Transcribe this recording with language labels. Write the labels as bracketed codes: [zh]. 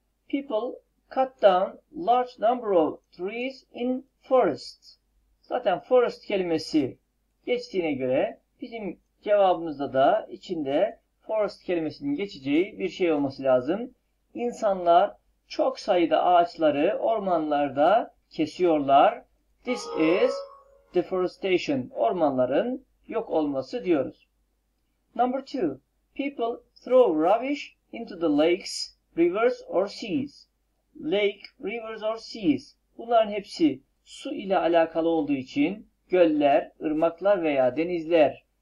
[en] People cut down large number of trees in forest. [tr] Zaten forest kelimesi geçtiğine göre bizim cevabımızda da içinde forest kelimesinin geçeceği bir şey olması lazım. İnsanlar çok sayıda ağaçları ormanlarda kesiyorlar. [en] This is deforestation. [tr] Ormanların yok olması diyoruz. [en] Number two. People throw rubbish into the lakes, rivers or seas. Lake, rivers or seas. [tr] Bunların hepsi su ile alakalı olduğu için göller, ırmaklar veya denizler.